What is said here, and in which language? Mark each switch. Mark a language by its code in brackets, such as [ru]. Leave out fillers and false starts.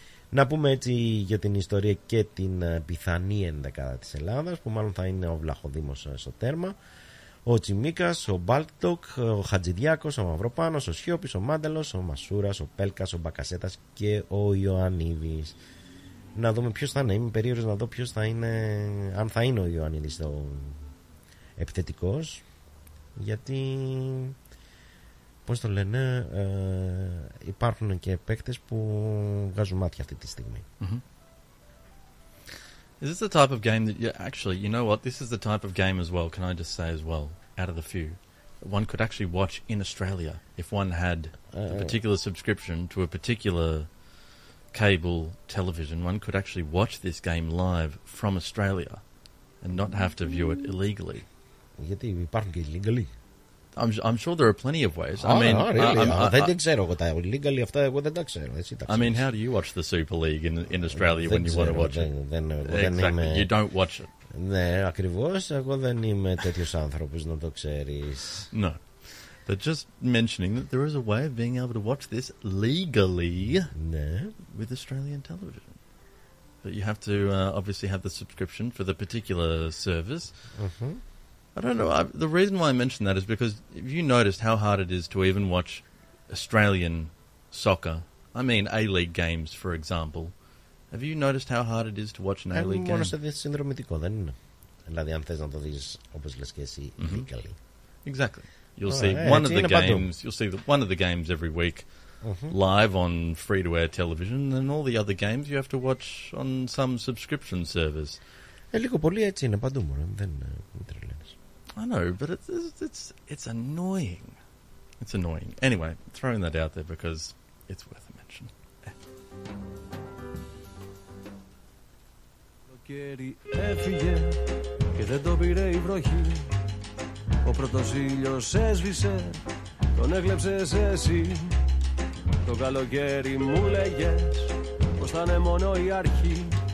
[el] Να πούμε έτσι για την ιστορία και την πιθανή ενδεκάδα της Ελλάδας, που μάλλον θα είναι ο Βλαχοδήμος στο τέρμα, ο Τσιμίκας, ο Μπάλτοκ, ο Χατζηδιάκος, ο Μαυροπάνος, ο Σιώπης, ο Μάντελος, ο Μασούρας, ο Πέλκας, ο Μπακασέτας και ο Ιωαννίδης. Να δούμε ποιος θα είναι. Είμαι περίεργος να δω ποιος θα είναι, αν θα είναι ο Ιωαννίδης ο επιθετικός. Γιατί, πώς το λένε, υπάρχουν και παίκτες που βγάζουν μάτια αυτή τη στιγμή. Mm-hmm. [en] Is this the type of game that you actually, you know what, this is the type of game as well, can I just say as well, out of the few, one could actually watch in Australia if one had a particular subscription to a particular cable television, one could actually watch this game live from Australia and not have to view it illegally. [el] Γιατί υπάρχουν και illegally. [en] I'm sure there are plenty of ways. I mean, [el] δεν ξέρω εγώ τα illegally αυτά, εγώ δεν τα ξέρω. Εσύ τα ξέρω. [en] I mean, how do you watch the Super League in Australia when you want to watch it? You don't watch it. [el] Ναι, ακριβώς. Εγώ δεν είμαι τέτοιος άνθρωπος να το ξέρεις. [en] No. But just mentioning that there is a way of being able to watch this legally with Australian television. But you have to obviously have the subscription for the particular service. I don't know. The reason why I mention that is because if you noticed how hard it is to even watch Australian soccer, I mean A-League games, for example, have you noticed how hard it is to watch an A-League game? [el] Μόνο σε συνδρομητικό, δεν είναι. Δηλαδή, αν θες να το δεις, όπως λες και εσύ, legally. [en] Exactly. You'll see one of the games. You'll see one of the games every week live on free-to-air television, and all the other games you have to watch on some subscription service. [el] Λίγο πολύ έτσι είναι παντού, μωρέ. Δεν τρελαίνεις. [en] I know, but it's annoying. It's annoying. Anyway, throwing that out there because it's worth a mention. [el] Οκ, καλοκαίρι έφυγε και δεν το πήρε η βροχή. Ο πρώτος ήλιος έσβησε, τον έκλεψες εσύ. Το καλοκαίρι μου λέγες πως θα είναι μόνο η αρχή.